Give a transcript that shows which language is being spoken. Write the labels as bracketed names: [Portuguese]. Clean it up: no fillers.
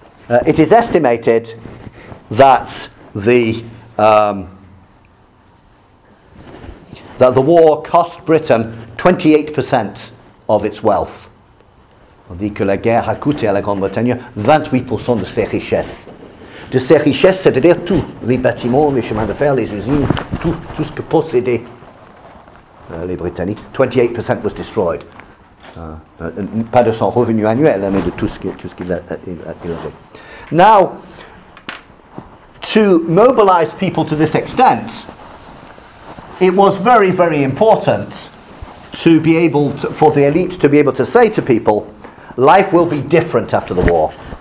[English] It is estimated that the war cost Britain 28% of its wealth. [French] On dit que la guerre a coûté à la Grande-Bretagne 28% de ses richesses. De ses richesses, c'est-à-dire tout, les bâtiments, les chemins de fer, les usines, tout, tout ce que possédaient les Britanniques. [English] 28% was destroyed. [French] Pas de son revenu annuel, mais de tout ce qu'il avait. [English] Now, to mobilize people to this extent, it was very, very important to be able to, for the elite to be able to say to people, life will be different after the war.